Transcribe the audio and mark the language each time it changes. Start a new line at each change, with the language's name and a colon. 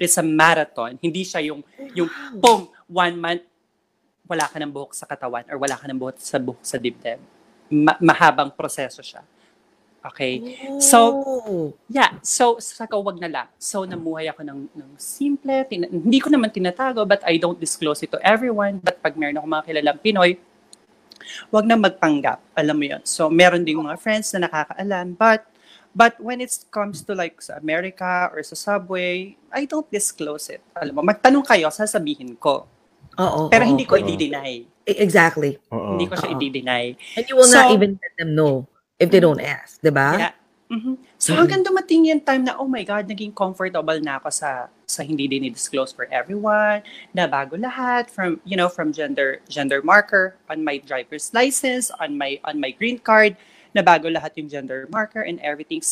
English: It's a marathon.
Filipino: Hindi siya yung boom, 1 month, wala ka ng buhok sa katawan or wala ka ng buhok sa dibdib. Mahabang proseso siya. Okay? So, wag na lang. So, namuhay ako ng simple. Hindi ko naman tinatago,
English: but I don't disclose it to everyone.
Filipino: But pag meron ako mga kilalang Pinoy, wag na magpanggap. Alam mo yun.
English: So,
Filipino: meron ding mga friends na nakakaalam.
English: But when it comes to like sa America or sa subway, I don't disclose it.
Filipino: Alam mo, magtanong kayo, sasabihin ko. Pero hindi ko i-deny.
English: Exactly.
Filipino: Uh-oh. Hindi ko siya i-deny.
English: And you will not even let them know if they don't ask, di ba? Yeah. Mm-hmm. So hanggang dumating yung time na, oh my God,
Filipino: naging comfortable na ako sa hindi din i-disclose
English: for everyone, na bago lahat, from gender marker on my driver's license, on my green card,
Filipino: na bago lahat yung gender marker
English: and everything.